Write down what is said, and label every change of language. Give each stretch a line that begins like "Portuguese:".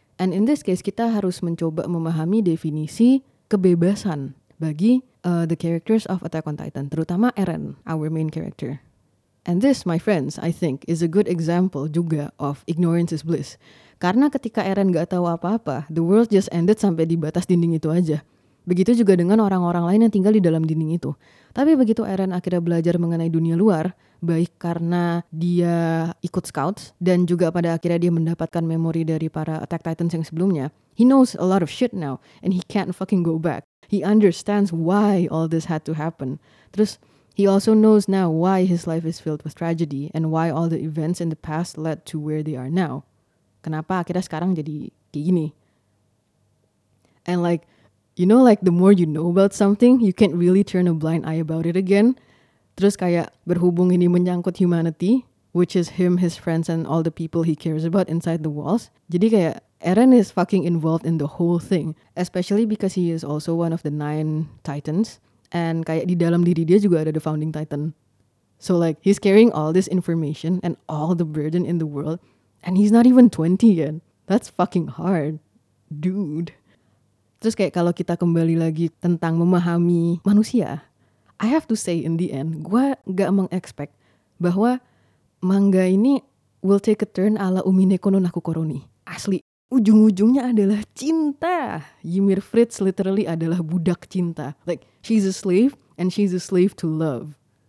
English: And in this case,
Indonesian: kita harus mencoba memahami definisi kebebasan bagi
English: the characters of Attack on Titan, terutama Eren, our main character. And this, my friends, I think is a good example juga of ignorance is bliss.
Indonesian: Karena ketika Eren gak tahu apa-apa,
English: the world just ended
Indonesian: sampai di batas dinding itu aja. Begitu juga dengan orang-orang lain yang tinggal di dalam dinding itu. Tapi begitu Eren akhirnya belajar mengenai dunia luar, baik karena dia ikut scouts, dan juga pada akhirnya dia mendapatkan memori dari para Attack Titans yang sebelumnya,
English: he knows a lot of shit now, and he can't fucking go back. He understands why all this had to happen. Terus, he also knows now why his life is filled with tragedy and why all the events in the past led to where they are now.
Indonesian: Kenapa akhirnya sekarang jadi kayak gini?
English: And like, you know, like the more you know about something, you can't really turn a blind eye about it again.
Indonesian: Terus kayak berhubung ini menyangkut
English: humanity, which is him, his friends, and all the people he cares about inside the walls.
Indonesian: Jadi kayak
English: Eren is fucking involved in the whole thing, especially because he is also one of the 9 titans.
Indonesian: And kayak di dalam diri dia juga ada
English: the founding titan. So like, he's carrying all this information and all the burden in the world. And he's not even 20 yet. That's fucking hard, dude.
Indonesian: Terus kayak kalau kita kembali lagi tentang memahami manusia,
English: I have to say in the end,
Indonesian: gue gak mengexpect bahwa manga ini
English: will take a turn
Indonesian: ala Umineko no Nakukoroni. Asli, ujung-ujungnya adalah cinta. Ymir Fritz literally adalah budak cinta.
English: Like, she's a slave and she's a slave to love.